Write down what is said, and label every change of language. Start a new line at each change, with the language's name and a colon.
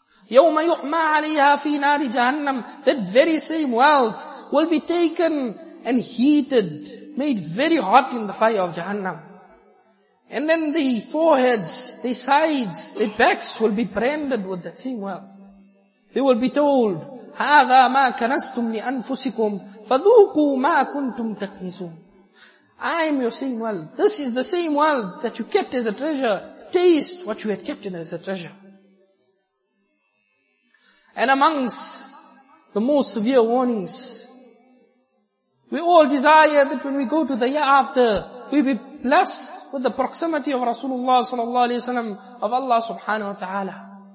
Arabic: يَوْمَ يُحْمَى عَلَيْهَا فِي نَارِ جَهَنَّمٍ.
English: That very same wealth will be taken and heated, made very hot in the fire of Jahannam. And then the foreheads, the sides, the backs will be branded with that same wealth. They will be told,
Arabic: هَذَا مَا كَنَسْتُمْ لِأَنفُسِكُمْ فَذُوقُوا مَا كُنْتُمْ تَكْنِسُونَ.
English: I am your same world. This is the same world that you kept as a treasure. Taste what you had kept in as a treasure. And amongst the most severe warnings, we all desire that when we go to the year after, we be blessed with the proximity of Rasulullah sallallahu alayhi wa sallam, of Allah subhanahu wa ta'ala.